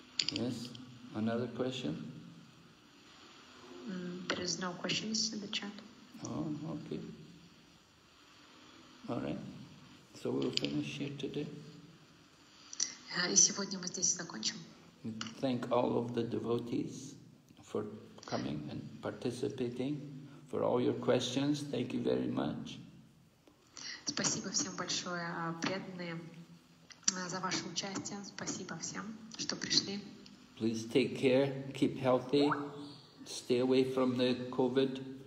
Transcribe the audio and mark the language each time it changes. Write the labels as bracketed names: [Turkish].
[English] Yes. Another question? There is no questions in the chat. Oh, okay. All right. So we'll finish here today. [Russian] И сегодня мы здесь закончим. [English] Thank all of the devotees for coming and participating, for all your questions. Thank you very much. [Russian] Спасибо всем большое, преданные, за ваше участие. Спасибо всем, что пришли. [English] Please take care, keep healthy, stay away from the COVID.